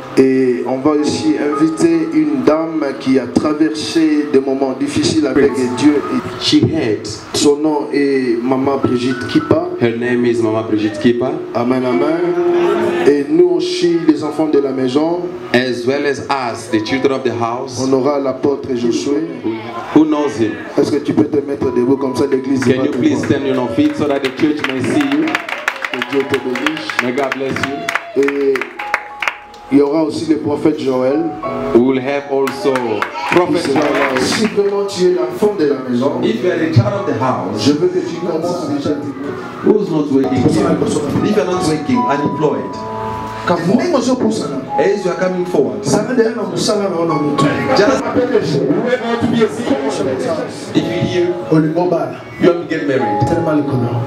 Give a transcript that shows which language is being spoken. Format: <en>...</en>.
<fr>Et on va aussi inviter une dame qui a traversé des moments difficiles avec Prince. Dieu.</fr> <en>She had.</en> <fr>Son nom est Mama Brigitte Kipa.</fr> <en>Her name is Mama Brigitte Kipa. Amen, amen.</en> <fr>Et nous aussi, les enfants de la maison.</fr> <en>As well as us, the children of the house.</en> <fr>On aura l'apôtre Josué.</fr> <en>Who knows him?</en> <fr>Est-ce que tu peux te mettre debout comme ça l'église</fr> <en>Can va you please stand on your feet so that the church may see you?</en> <fr>Dieu te bénisse.</fr> <en>May God bless you.</en> <fr>Et il y aura aussi le prophète Joël.</fr> <en>We will have also prophète Joël.</en> <fr>Si vraiment tu es l'enfant de la maison,</fr> <en>if you are a child of the house,</en> <fr>je veux que tu commences déjà.</fr> <en>Who's not working? If you are not working, unemployed. Come on. As you are coming forward. Just if you hear, you want to get married.</en>